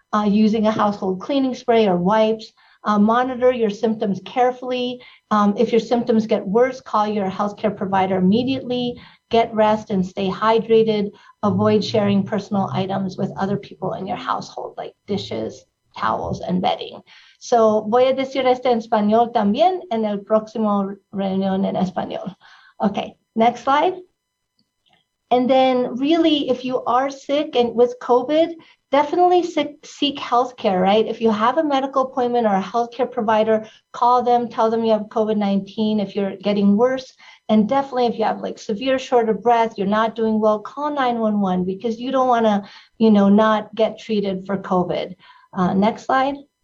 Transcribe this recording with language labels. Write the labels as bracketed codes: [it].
[en] Using a household cleaning spray or wipes. Monitor your symptoms carefully. If your symptoms get worse, call your healthcare provider immediately. Get rest and stay hydrated. Avoid sharing personal items with other people in your household, like dishes, towels, and bedding. [es] So voy a decir esto en español también en el próximo reunión en español. [en] Okay, next slide. And then really, if you are sick and with COVID, definitely seek healthcare, right? If you have a medical appointment or a healthcare provider, call them, tell them you have COVID-19 if you're getting worse. And definitely if you have like severe short of breath, you're not doing well, call 911 because you don't wanna, you know, not get treated for COVID. Next slide.